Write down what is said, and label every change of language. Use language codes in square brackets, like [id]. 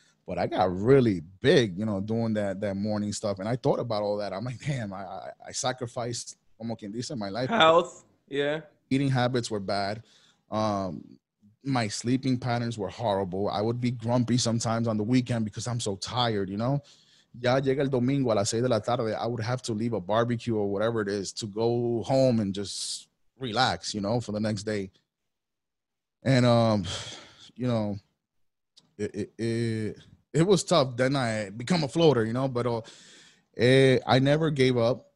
[en] But I got really big, you know, doing that morning stuff. And I thought about all that. I'm like, damn, I sacrificed, [es] como quien dice, [en] my life. Health, yeah. Eating habits were bad. My sleeping patterns were horrible. I would be grumpy sometimes on the weekend because I'm so tired, you know. [es] Ya llega el domingo a las 6 de la tarde. [en] I would have to leave a barbecue or whatever it is to go home and just relax, you know, for the next day. And, you know. It was tough. Then I become a floater, you know, but I never gave up.